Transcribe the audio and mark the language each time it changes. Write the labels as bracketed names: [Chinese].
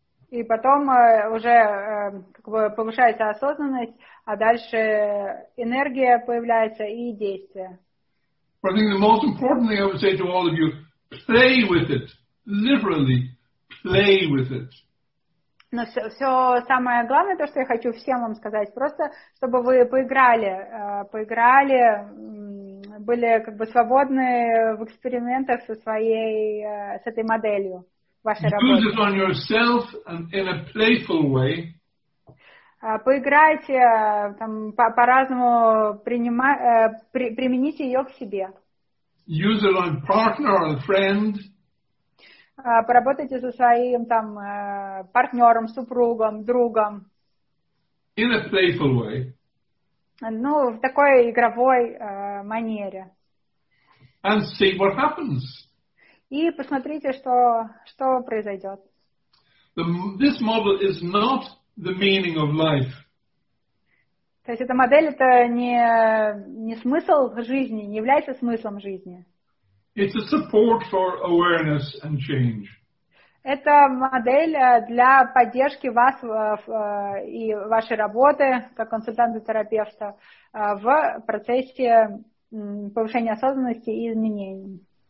[Russian] И потом уже как бы повышается осознанность, а дальше энергия появляется и действие. [English] I think the most important thing I would say to all of you, play with it, literally, play with it. [Russian] Но все самое главное, то, что я хочу всем вам сказать, просто чтобы вы поиграли, были как бы свободны в экспериментах со своей, с этой моделью вашей работы. [English] Use it on yourself and in a playful way. [Russian] Поиграйте, там, по-разному примените ее к себе. [English] Use it on partner or friend. [Russian] Поработайте со своим там партнером, супругом, другом. [English] In a playful way. [Russian] Ну, в такой игровой манере. [English] And see what happens. [Russian] И посмотрите, что произойдет. [English] This model is not the meaning of life. [Russian] То есть эта модель это не смысл жизни, не является смыслом жизни. [English] It's a support for awareness and change. [Russian] Это модель для поддержки вас и вашей работы как консультанта-терапевта в процессе повышения осознанности и изменений.